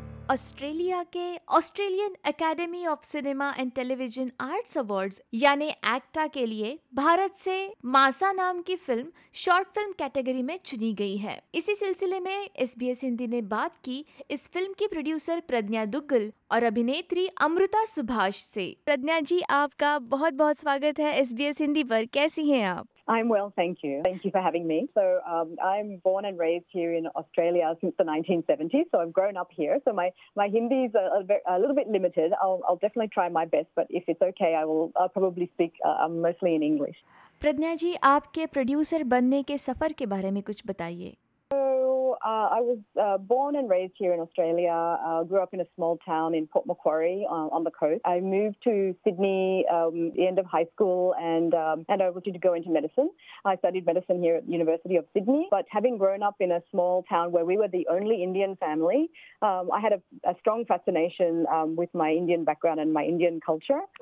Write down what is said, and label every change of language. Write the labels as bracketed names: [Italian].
[Hindi] Australia के Australian academy of cinema and television arts awards यानी एक्टा के लिए भारत से मासा नाम की फिल्म शॉर्ट फिल्म कैटेगरी में चुनी गई है। इसी सिलसिले में SBS हिंदी ने बात की इस फिल्म की प्रोड्यूसर प्रज्ञा दुग्गल और अभिनेत्री अमृता सुभाष से। प्रज्ञा जी, आपका बहुत बहुत स्वागत है SBS हिंदी पर। कैसी हैं आप? [English] I'm well, thank you. Thank you for having me. So I'm born and raised here in Australia since the 1970s. So I've grown up here. So my Hindi is a little bit limited. I'll definitely try my best, but if it's okay, I'll probably speak mostly in English. [Hindi] प्रज्ञा जी, आपके producer बनने के सफर के बारे में कुछ बताइए। [English] I was born and raised here in Australia. Grew up in a small town in Port Macquarie on the coast. I moved to Sydney at the end of high school and I wanted to go into medicine. I studied medicine here at the University of Sydney. But having grown up in a small town where we were the only Indian family, I had a strong fascination with my Indian background and my Indian culture.